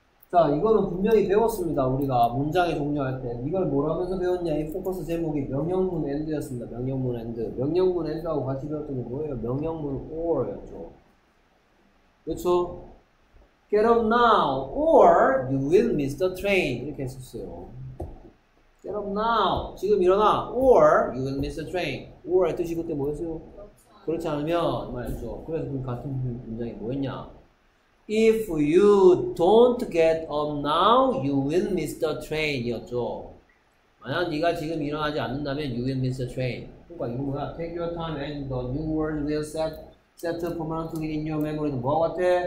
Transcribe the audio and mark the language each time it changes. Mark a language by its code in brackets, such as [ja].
[ko] 자, 이거는 분명히 배웠습니다. 우리가 문장의 종료할 때 이걸 뭘 하면서 배웠냐? 이 포커스 제목이 명령문 엔드였습니다. 명령문 엔드. 명령문 엔드하고 같이 배웠던 게 뭐예요? 명령문 or였죠. 그렇죠? [en] Get up now or you will miss the train. [ko] 이렇게 했었어요. [en] Get up now. [ko] 지금 일어나. [en] or you will miss the train. [ko] or의 뜻이 그때 뭐였어요? 그렇지 않으면 말이죠. 그래서 그 같은 문장이 뭐였냐? [en] If you don't get up now, you will miss the train이었죠. [ko] 만약 네가 지금 일어나지 않는다면, [en] you will miss the train. [ko] 그러니까 이거 뭐야? [en] Take your time and the new world will set permanently in your memory는 [ko] 뭐 같아?